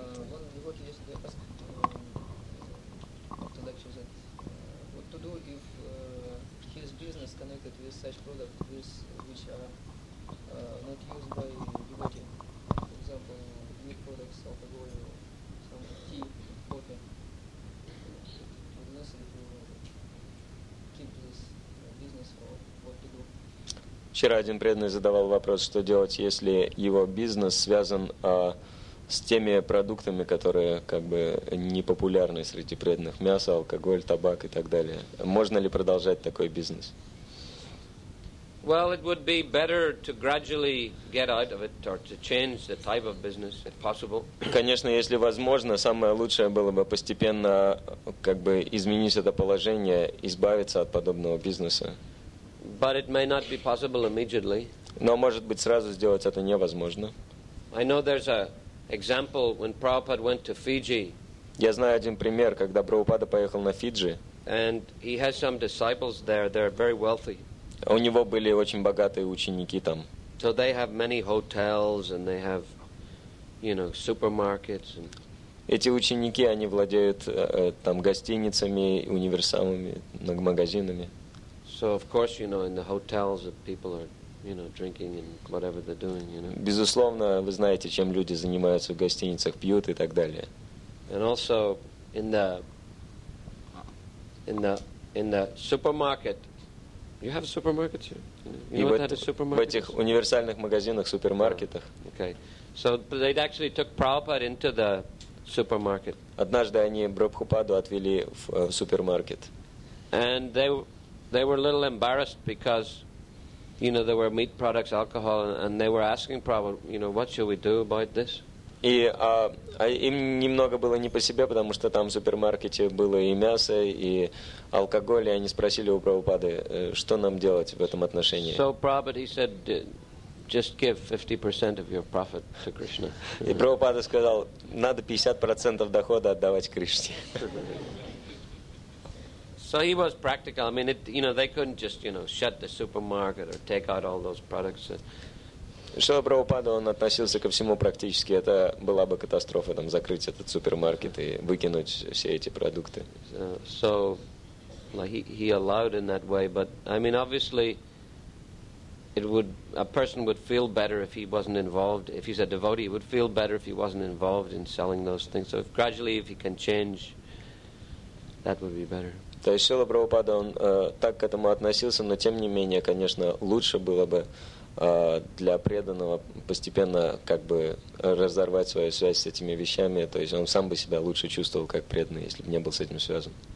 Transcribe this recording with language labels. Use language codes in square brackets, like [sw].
[en] One devotee yesterday asked after lectures that what to do if his business connected with such products which are not used by devotee. For example, meat products, alcohol, or some tea, coffee. It's necessary to keep this business or what to do. [ru] Вчера один преданный задавал вопрос, что делать, если его бизнес связан с теми продуктами, которые как бы не популярны среди преданных. Мясо, алкоголь, табак и так далее. Можно ли продолжать такой бизнес? [en] Well, it would be better to gradually get out of it or to change the type of business, if possible. [ru] Конечно, если возможно, самое лучшее было бы постепенно как бы изменить это положение, избавиться от подобного бизнеса. [en] But it may not be possible immediately. [ru] Но может быть сразу сделать это невозможно. [en] I know there's an example when Prabhupada went to Fiji. [ru] Я знаю один пример, когда Прабхупада поехал на Фиджи. [en] And he has some disciples there. They're very wealthy. [ru] У него были очень богатые ученики там. [en] So they have many hotels and they have, you know, supermarkets and. [ru] Эти ученики, они владеют там гостиницами, универсамами, магазинами. [en] So of course, you know, in the hotels that people are, you know, drinking and whatever they're doing, you know. [ru] Безусловно, вы знаете, чем люди занимаются в гостиницах, пьют и так далее. [en] And also in the supermarket. You have a supermarket here? You know what that is, supermarket? [ru] В этих универсальных магазинах, супермаркетах. [en] Oh, okay. So they'd actually took Prabhupada into the supermarket. [ru] Однажды они Прабхупаду отвели в супермаркет. [en] And they were a little embarrassed because, you know, there were meat products, alcohol, and they were asking Prabhupada, you know, what should we do about this? [ru] И им немного было не по себе, потому что там в супермаркете было и мясо, и алкоголь, и они спросили у Прабхупады, что нам делать в этом отношении. [en] So Prabhupada, he said, just give 50% of your profit to Krishna. [ru] И Прабхупада сказал, надо 50% дохода отдавать Кришне. [en] So he was practical. I mean, it, you know, they couldn't just, you know, shut the supermarket or take out all those products. [ru] Шрила Прабхупада, он относился ко всему практически. Это была бы катастрофа, там, закрыть этот супермаркет и выкинуть все эти продукты. [en] So, like, he allowed in that way, but, I mean, obviously, a person would feel better if he wasn't involved. If he's a devotee, he would feel better if he wasn't involved in selling those things. So, if gradually, if he can change, that would be better. [ru] То есть Шрила Прабхупада, он так к этому относился, но тем не менее, конечно, лучше было бы для преданного постепенно как бы разорвать свою связь с этими вещами. То есть он сам бы себя лучше чувствовал как преданный, если бы не был с этим связан.